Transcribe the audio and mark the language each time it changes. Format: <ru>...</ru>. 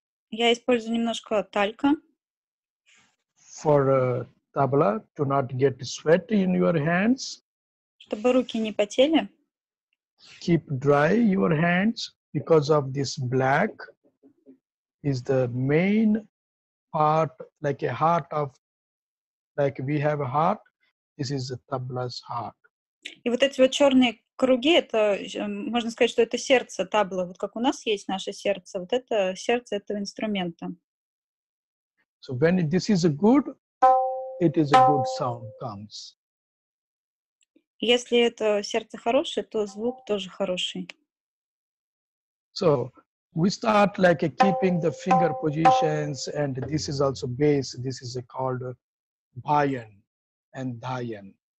<ru>Я использую немножко талька.</ru> <en>For tabla to not get sweat in your hands.</en> <ru>Чтобы руки не потели.</ru> <en>Keep dry your hands because of this black is the main part, like a heart of, like we have a heart. This is a tabla's heart.</en> <ru>И вот эти вот черные круги, это, можно сказать, что это сердце табла. Вот как у нас есть наше сердце, вот это сердце этого инструмента.</ru> <en>So when this is a good, it is a good sound comes.</en> <ru>Если это сердце хорошее, то звук тоже хороший.</ru> <en>So we start like keeping the finger positions, and this is also bass, this is called bhayan and dhayan.</en>